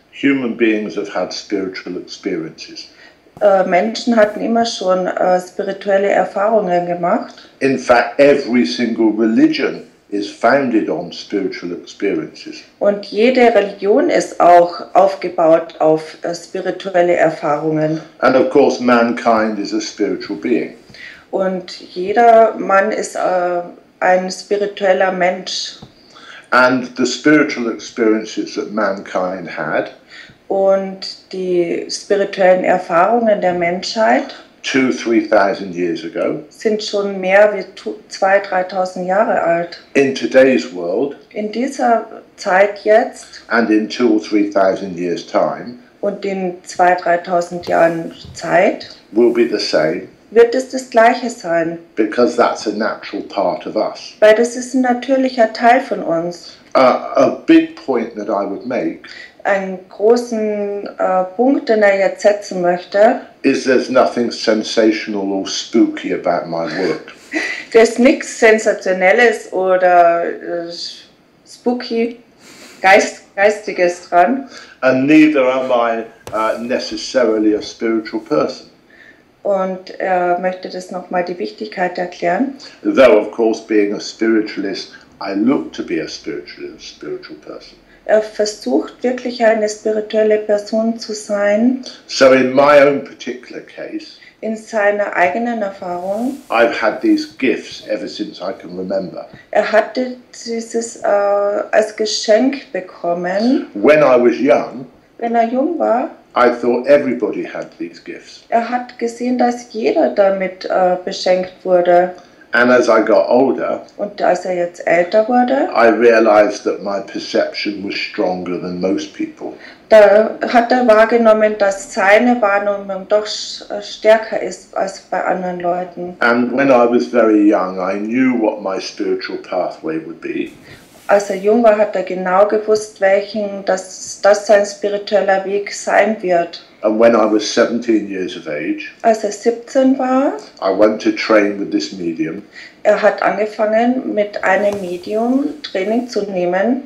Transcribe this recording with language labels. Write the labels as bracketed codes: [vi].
[en] human beings have had spiritual experiences. [de] Menschen hatten immer schon spirituelle Erfahrungen gemacht. [en] In fact, every single religion is founded on spiritual experiences. [de] Und jede Religion ist auch aufgebaut auf spirituelle Erfahrungen. [en] And of course mankind is a spiritual being. [de] Und jeder Mann ist ein spiritueller Mensch. [en] And the spiritual experiences that mankind had, [de] und die spirituellen Erfahrungen der Menschheit, [en] 2,000-3,000 years ago, [de] sind schon mehr wie 2,000-3,000 Jahre alt. [en] In today's world, [de] in dieser Zeit jetzt, [en] and in 2,000-3,000 years time, [de] und in 2,000-3,000 Jahren Zeit, [en] will be the same, [de] wird es das Gleiche sein. [en] Because that's a natural part of us. [de] Weil das ist ein natürlicher Teil von uns. [en] A big point that I would make, [de] einen großen Punkt, den er jetzt setzen möchte, [en] is there's nothing sensational or spooky about my work. [de] Da ist nichts Sensationelles oder spooky, geistiges dran. [en] And neither am I necessarily a spiritual person. [de] Und er möchte das nochmal die Wichtigkeit erklären. [en] Though of course being a spiritualist, I look to be a spiritual person. [de] Er versucht wirklich eine spirituelle Person zu sein. [en] So in my own particular case, [de] in seiner eigenen Erfahrung, [en] I've had these gifts ever since I can remember. [de] Er hatte dieses als Geschenk bekommen. [en] When I was young, [de] wenn er jung war, [en] I thought everybody had these gifts. [de] Er hat gesehen, dass jeder damit beschenkt wurde. [en] And as I got older, [de] und als er jetzt älter wurde, [en] I realized that my perception was stronger than most people. [de] Da hat er wahrgenommen, dass seine Wahrnehmung doch stärker ist als bei anderen Leuten. [en] And when I was very young, I knew what my spiritual pathway would be. [de] Als er jung war, hat er genau gewusst, welchen, dass das sein spiritueller Weg sein wird. [en] And when I was 17 years of age, [de] als er 17 war, [en] I went to train with this medium. [de] Er hat angefangen, mit einem Medium Training zu nehmen.